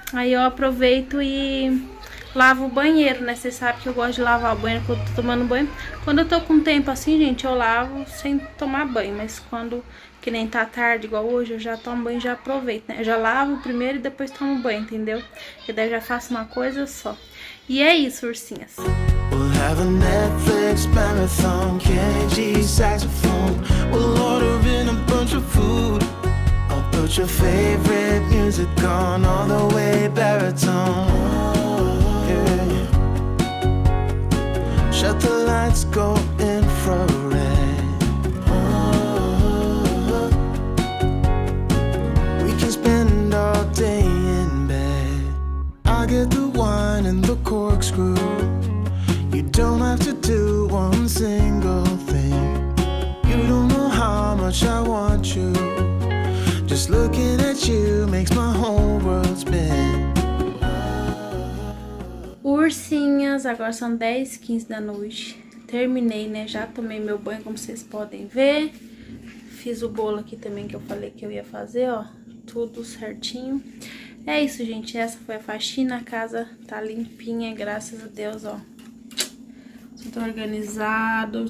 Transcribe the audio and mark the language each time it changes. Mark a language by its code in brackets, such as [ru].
[pt] Aí eu aproveito e lavo o banheiro, né? Vocês sabem que eu gosto de lavar o banheiro quando eu tô tomando banho. Quando eu tô com tempo assim, gente, eu lavo sem tomar banho. Mas quando, que nem tá tarde, igual hoje, eu já tomo banho e já aproveito, né? Eu já lavo primeiro e depois tomo banho, entendeu? Porque daí eu já faço uma coisa só. E é isso, ursinhas. [en] We'll have a Netflix marathon, KG saxophone. We'll order in a bunch of food. I'll put put your favorite music on all the way baritone. Shut the lights, go infrared. We can spend all day in bed. I get the wine and the corkscrew. You don't have to do one single thing. You don't know how much I want you. Just looking at you makes my whole world spin. [pt] Ursinhas, agora são 10h15 da noite. Terminei, né? Já tomei meu banho, como vocês podem ver. Fiz o bolo aqui também que eu falei que eu ia fazer, ó. Tudo certinho. É isso, gente. Essa foi a faxina. A casa tá limpinha, graças a Deus, ó. Tudo organizado.